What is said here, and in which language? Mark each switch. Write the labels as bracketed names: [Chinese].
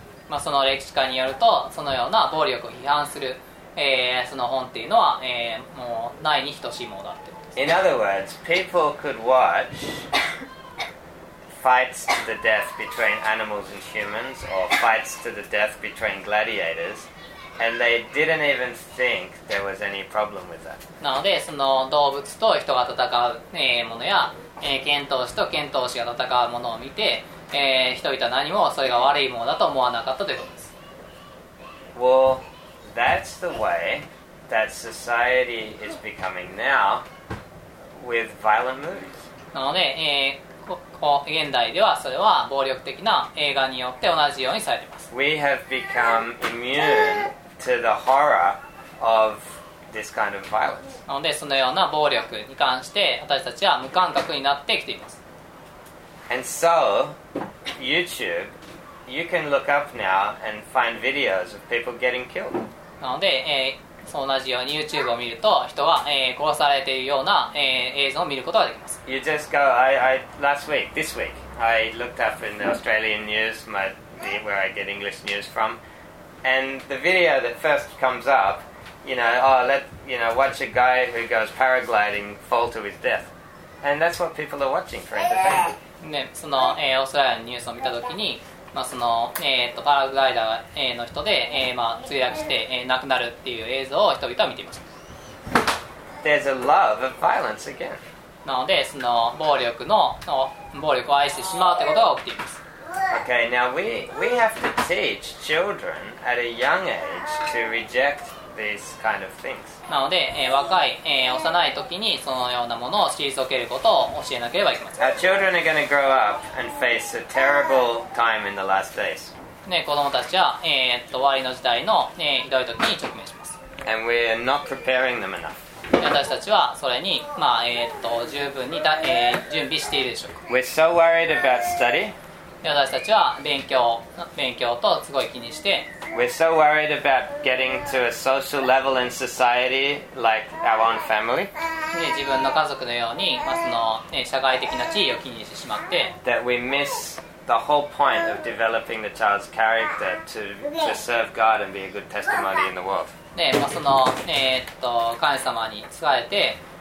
[Japanese] まあその歴史家によると、そのような暴力を批判する、その本っていうのは、もうないに等しいものだって。 [English] In other words, people could watch fights to the death between animals and humans, or fights to the death between gladiators, and they didn't even think there was any problem with that. [Japanese] なので、その動物と人が戦う、ものや、剣闘士と剣闘士が戦うものを見て、人々は何もそれが悪いものだと思わなかったということです。 [English] Well, that's the way that society is becoming now with violent movies. [Japanese] なので、現代ではそれは暴力的な映画によって同じようにされています。 [English] We have become immune to the horror of this kind of violence. [Japanese] なので、そのような暴力に関して私たちは無感覚になってきています。 [English] And so, YouTube, you can look up now and find videos of people getting killed. [Japanese] なので、そう同じように YouTube を見ると、人は、殺されているような、映像を見ることができます。 [English] You just go, this week, I looked up in the Australian news, where I get English news from, and the video that first comes up, watch a guy who goes paragliding fall to his death. And that's what people are watching for entertainment. [Japanese] ね、その、オーストラリアのニュースを見たときに、まあ、その、パラグライダーの人で、まあ、墜落して、亡くなるっていう映像を人々は見ていました。 [English] There's a love of violence again. [Japanese] なので、その、暴力を愛してしまうってことが起きています。 [English] Okay, now we have to teach children at a young age to reject these kind of things. [Japanese] なので、若い、幼い時にそのようなものを退けることを教えなければいけません。 [English] Our children are going to grow up and face a terrible time in the last days. [Japanese] ね、子供たちは、終わりの時代の、ひどい時に直面します。 [English] And we are not preparing them enough. [Japanese] 私たちはそれに、まあ、十分に、準備しているでしょうか。 [English] We're so worried about study. [Japanese] 私たちは勉強とすごい気にして。 [English] We're so worried about getting to a social level in society like our own family. [Japanese] 自分の家族のように、まあその社会的な地位を気にしてしまって。 [English] That we miss the whole point of developing the child's character to serve God and be a good testimony in the world. [Japanese] で、まあその神様に仕えて。